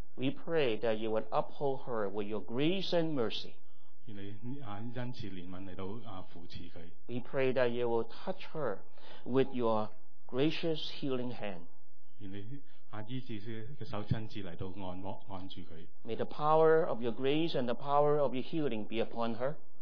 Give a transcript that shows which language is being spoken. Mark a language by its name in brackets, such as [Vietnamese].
[English] we pray that you would uphold her with your grace and mercy. [Chinese] 愿你, 恩慈怜悯来到, 扶持她。 [English] We pray that you will touch her with your gracious healing hand. [Chinese] 愿你, 医治的手亲自来到按摩, 按住她。 [English] May the power of your grace and the power of your healing be upon her.